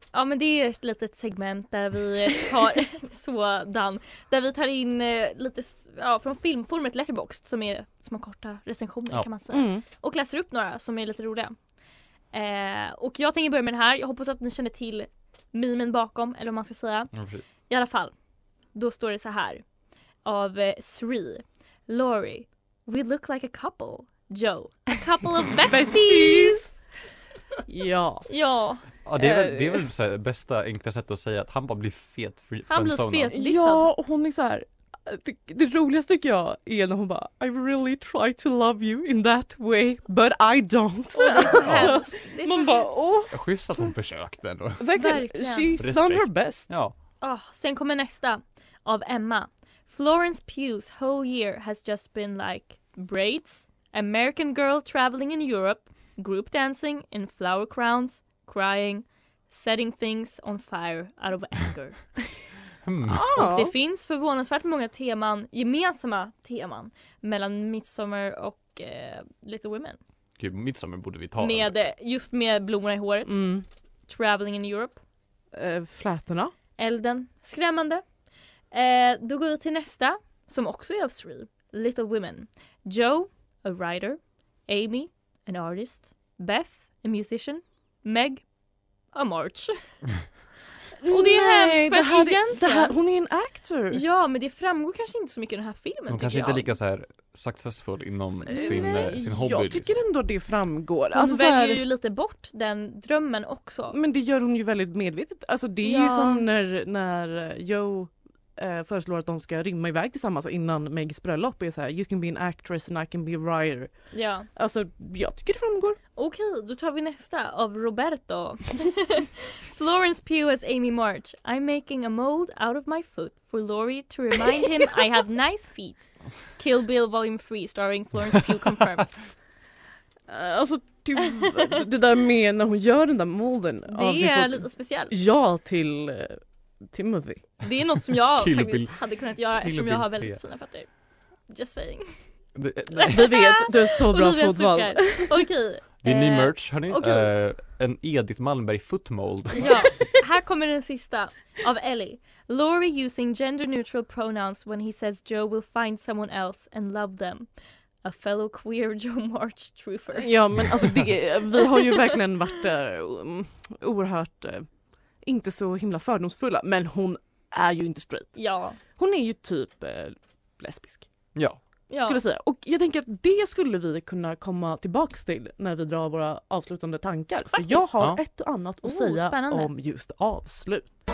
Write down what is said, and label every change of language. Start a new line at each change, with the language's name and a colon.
Swedish: Ja, men det är ett litet segment där vi tar... där vi tar in lite från filmformat Letterboxd, som är små korta recensioner, kan man säga. Mm. Och läser upp några som är lite roliga. Och jag tänker börja med den här. Jag hoppas att ni känner till mimen bakom, eller vad man ska säga. Mm. I alla fall. Då står det så här. Av Sri.
English: Lori, we look like a couple. Joe, a couple of besties.
Swedish: Ja. Ja. Ja, det är väl så här, bästa enkla sättet att säga att han bara blir fet. Han blir fet. Ja, hon är så här. Det roligaste tycker jag är när hon bara,
English: I really try to love you in that way, but I don't.
Swedish: Oh, det är så hemskt. Man så bara, åh. Schysst att hon försökt ändå. Verkligen.
English: She's respect. Done her best.
Swedish: Ja. Oh, sen kommer nästa. Av Emma.
English: Florence Pugh's whole year has just been like braids, American girl traveling in Europe, group dancing in flower crowns, crying, setting things on fire out of anger. Oh.
Swedish: Och det finns förvånansvärt många teman, gemensamma teman, mellan Midsommar och Little Women. Gud, Midsommar borde vi ta. Just med blommorna i håret. Mm.
English: Traveling in Europe.
Swedish: Flätorna. Elden. Skrämmande. Då går vi till nästa, som också är av Sri.
English: Little Women. Joe, a writer. Amy, an artist. Beth, a musician. Meg, A March.
Swedish: Och det är hemskt, för det här, egentligen... Det här, hon är en actor. Ja, men det framgår kanske inte så mycket i den här filmen. Hon kanske jag. Inte lika så här successful inom sin hobby. Jag tycker ändå det framgår. Hon alltså, väljer så här... ju lite bort den drömmen också. Men det gör hon ju väldigt medvetet. Alltså det är ja. Ju som när Joe föreslår att de ska rymma iväg tillsammans innan Megs bröllop är så här:
English: you can be an actress and I can be a writer.
Swedish: Ja. Alltså, jag tycker det framgår. Okej, då tar vi nästa av Roberto.
English: Florence Pugh as Amy March. I'm making a mold out of my foot for Laurie to remind him I have nice feet. Kill Bill Volume 3 starring Florence Pugh confirmed.
Swedish: Alltså, typ, det där med när hon gör den där molden det av sin är
English: foot.
Swedish: Lite speciellt. Ja, till... Timothy. Det är något som jag faktiskt hade kunnat göra Kill eftersom jag har väldigt fina fötter.
English: Just saying.
Swedish: Vi vet, du är så bra fotboll. Okej. Det är ny merch, hörni. Okay. En Edith Malmberg footmold. Ja, här kommer den sista av Ellie.
English: Laurie using gender neutral pronouns when he says Joe will find someone else and love them. A fellow queer Joe March truther.
Swedish: Ja, men alltså det, vi har ju verkligen varit oerhört... inte så himla fördomsfulla, men hon är ju inte straight. Ja. Hon är ju typ lesbisk. Ja. Skulle jag säga. Och jag tänker att det skulle vi kunna komma tillbaka till när vi drar våra avslutande tankar. Faktiskt? För jag har ett och annat att säga spännande. Om just avslut.